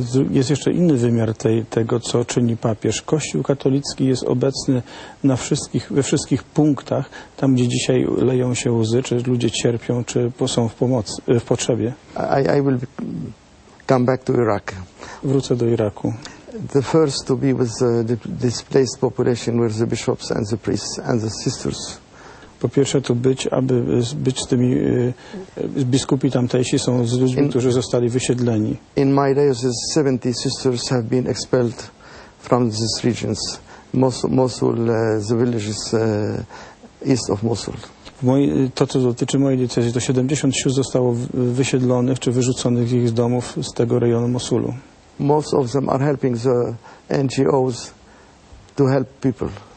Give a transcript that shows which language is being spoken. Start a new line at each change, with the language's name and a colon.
Polish: Jest jeszcze inny wymiar tego, co czyni papież. Kościół katolicki jest obecny na wszystkich, we wszystkich punktach, tam gdzie dzisiaj leją się łzy, czy ludzie cierpią, czy są w pomocy, w potrzebie.
English: I will come back to Iraq.
Polish: Wrócę do Iraku.
English: The first to be with the displaced population were the bishops and the priests and the sisters.
Polish: Po pierwsze tu być, aby być z tymi biskupi tamtejsi są z ludźmi, którzy zostali wysiedleni.
English: In my diocese 70 sisters have been expelled from these regions. Mosul, the villages east of Mosul.
Polish: To, co dotyczy mojej diecezji, to 70 sióstr zostało wysiedlonych czy wyrzuconych ich z domów z tego rejonu Mosulu.
English: Most of them are helping the NGOs to help people.